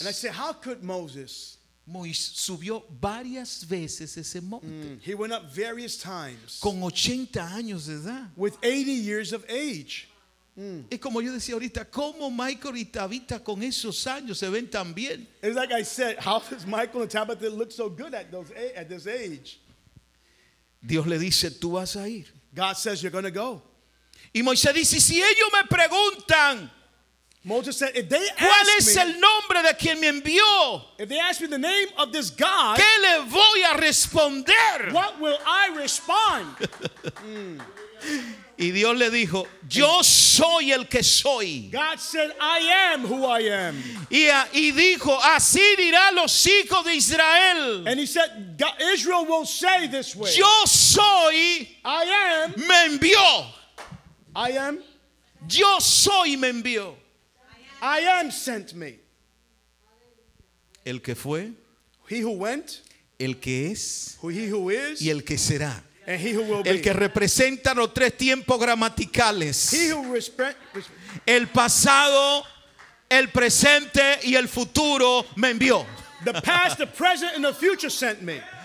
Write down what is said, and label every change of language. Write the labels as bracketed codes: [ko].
[en] And I say, how could Moses? [es] Moisés subió varias veces ese monte. Mm, [en] he went up various times. [es] Con 80 años de edad. [en] With 80 years of age. [es] Es como yo decía ahorita, ¿cómo Michael y Tabitha con esos años se ven tan bien? [en] It's like I said, how does Michael and Tabitha look so good at this age? [es] Dios le dice, tú vas a ir. [en] God says you're going to go. [es] Y Moisés dice, si ellos me preguntan, [en] Moses said, if they [es] ¿cuál [en] ask [es] es [en] me, [es] el nombre de quien me envió? [en] If they ask me the name of this God, [es] ¿qué le voy a responder? [en] What will I respond? [es] Y Dios le dijo, yo soy el que soy. [en] God said, I am who I am. [es] Y dijo, así dirá los hijos de Israel. [en] And he said, Israel will say this way. [es] Yo soy. [en] I am. [es] Me envió. [en] I am. [es] Yo soy me envió. [en] I am sent me. [es] El que fue. [en] He who went. [es] El que es. [en] He who is. [es] Y el que será. [en] And he who will [es] el [en] be. [es] Que representa los tres tiempos gramaticales, [en] he who [es] el pasado, el presente y el futuro me envió. [en] The past, the present, and the future sent me.